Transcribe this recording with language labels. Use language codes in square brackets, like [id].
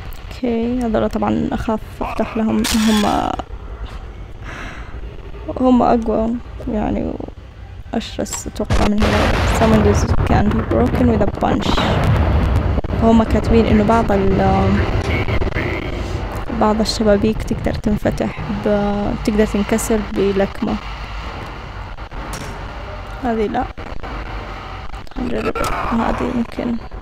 [ar] Okay، هذولا طبعاً أخاف أفتح لهم، هم أقوى يعني أشرس أتوقع من هنا. [en] Someone does can be broken with a punch. [ar] هم كاتبين إنه بعض بعض الشبابيك تقدر تنفتح تقدر تنكسر بلكمة. هذه لا، نجرب هذه يمكن.